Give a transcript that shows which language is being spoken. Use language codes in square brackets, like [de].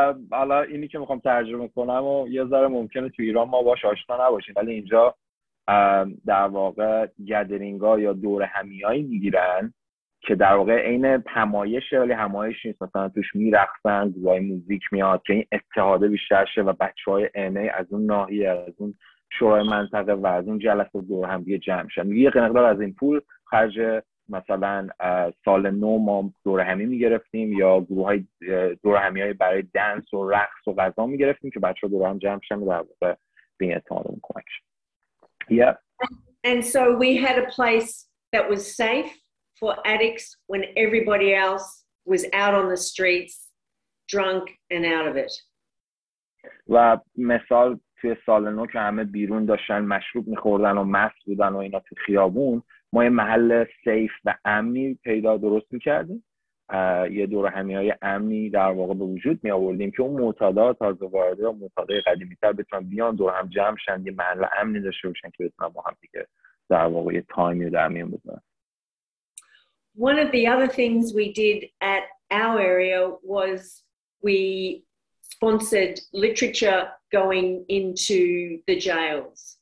[fa] حالا اینی که میخوام ترجمه کنم و یه ذره ممکنه تو ایران ما باش آشنا نباشیم، ولی اینجا در واقع گدرینگا یا دور همیایی میگیرن که در واقع این همایشه، ولی همایش نیست، مثلا توش میرقصن، گروهای موزیک میاد که این اتحاده بیشتر شه و بچه های اینه از اون ناحیه از اون شورای منطقه و از اون جلسه دور هم دیگه جمع شن، یه مقدار از این پول خرج مثلا سال نو ما دور همی میگرفتیم یا گروه های دور همی های برای دنس و رقص و غذا میگرفتیم که بچه ها دور هم جمع شن و در واقع به این اتحاد رو کمک شن. [en] And so we had a place that was safe for addicts when everybody else was out on the streets drunk and out of it. [fa] و مثال توی سال نو که همه بیرون داشتن مشروب میخوردن و مست بودن و اینا تو خیابون، ما یه محل سیف و امنی پیدا درست میکردیم، یه دور همیهای امنی در واقع به وجود میآوردیم که اون معتادا تازه وارده و معتادای قدیمی‌تر بتونن بیان دور هم جمع شن، یه محل امنی داشته باشن که بتونن با هم دیگه در واقع یه تایمی رو در میان بذارن. [en] One of the other things we did at our area was we sponsored literature going into the jails.